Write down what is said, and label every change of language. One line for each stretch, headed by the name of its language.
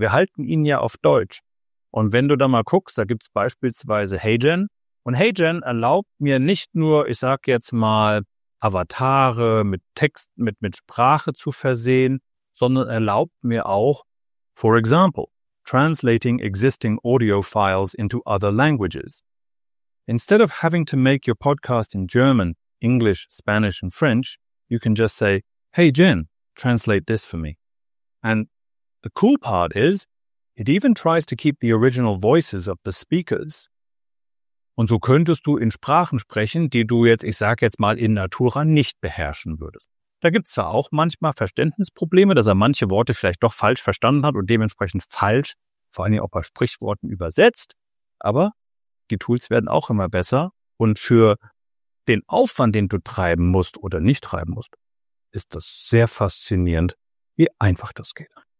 German: Wir halten ihn ja auf Deutsch. Und wenn du da mal guckst, da gibt's beispielsweise HeyGen. Und HeyGen erlaubt mir nicht nur, ich sag jetzt mal, Avatare mit Text, mit Sprache zu versehen, sondern erlaubt mir auch,
English: for example, translating existing audio files into other languages. Instead of having to make your podcast in German, English, Spanish and French, you can just say, HeyGen, translate this for me. And the cool part is, it even tries to keep the original voices of the speakers.
German: Und so könntest du in Sprachen sprechen, die du jetzt, ich sag jetzt mal, in Natura nicht beherrschen würdest. Da gibt's zwar auch manchmal Verständnisprobleme, dass er manche Worte vielleicht doch falsch verstanden hat und dementsprechend falsch, vor allem auch bei Sprichworten, übersetzt. Aber die Tools werden auch immer besser. Und für den Aufwand, den du treiben musst oder nicht treiben musst, ist das sehr faszinierend, wie einfach das geht.